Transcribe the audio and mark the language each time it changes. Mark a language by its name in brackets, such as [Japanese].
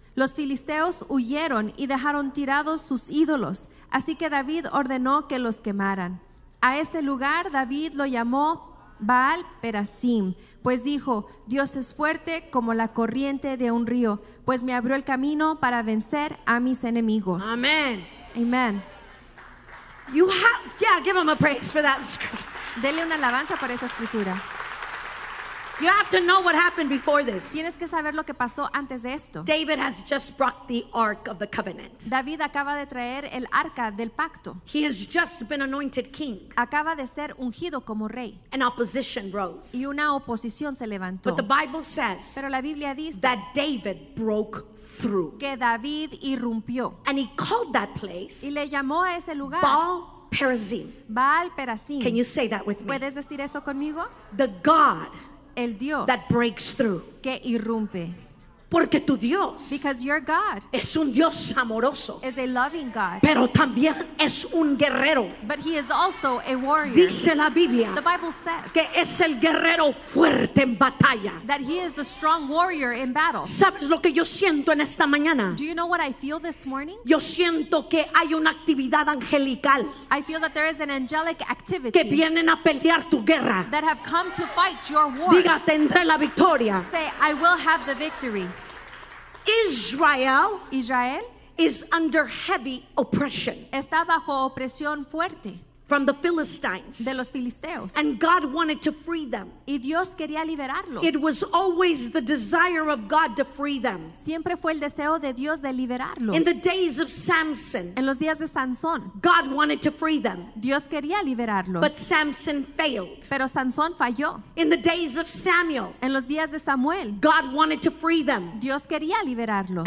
[Spanish] Los filisteos huyeron y dejaron tirados sus ídolos, así que David ordenó que los quemaran. A ese lugar David lo llamó Baal Perazim, pues dijo, Dios es fuerte como la corriente de un río, pues me abrió el camino para vencer a mis enemigos. Amén. Amén. [English] You have, yeah, give him a praise for that scripture. [Spanish] Dele una alabanza por esa escritura. [English] You have to know what happened before this. [Spanish] Tienes que saber lo que pasó antes de esto. [English] David has just brought the Ark of the Covenant. [Spanish] David acaba de traer el arca del pacto. [English] He has just been anointed king. [Spanish] Acaba de ser ungido como rey. [English] An opposition rose. [Spanish] Y una oposición se levantó. [English] But the Bible says, [Spanish] pero la Biblia dice, [English] that David broke through. [Spanish] Que David irrumpió. [English] And he called that place, [Spanish] y le llamó a ese lugar, [English] Baal Perazim. [Spanish] Baal Perazim. [English] Can you say that with me? [Spanish] ¿Puedes decir eso conmigo? [English] The God, [Spanish] el Dios [English] that breaks through, [Spanish] que irrumpe, porque tu Dios, [English] because your God, [Spanish] es un Dios amoroso, [English] is a loving God, [Spanish] pero también es un guerrero, [English] but he is also a warrior. [Spanish] Dice la Biblia, [English] the Bible says, [Spanish] que es el guerrero fuerte en batalla, [English] that he is the strong warrior in battle. [Spanish] ¿Sabes lo que yo siento en esta mañana? [English] Do you know what I feel this morning? [Spanish] Yo siento que hay una actividad angelical, [English] I feel that there is an angelic activity, [Spanish] que vienen a pelear tu guerra, [English] that have come to fight your war. [Spanish] Diga, tendré la victoria. [English] Say, I will have the victory. Israel is under heavy oppression. [Spanish] Está bajo opresión fuerte. [English] From the Philistines. [Spanish] De los filisteos. [English] And God wanted to free them. [Spanish] Y Dios quería liberarlos. [English] It was always the desire of God to free them. [Spanish] Siempre fue el deseo de Dios de liberarlos. [English] In the days of Samson. [Spanish] En los días de Sansón. [English] God wanted to free them. [Spanish] Dios quería liberarlos. [English] But Samson failed. [Spanish] Pero Sansón falló. [English] In the days of Samuel. [Spanish] En los días de Samuel. [English] God wanted to free them. [Spanish] Dios quería liberarlos.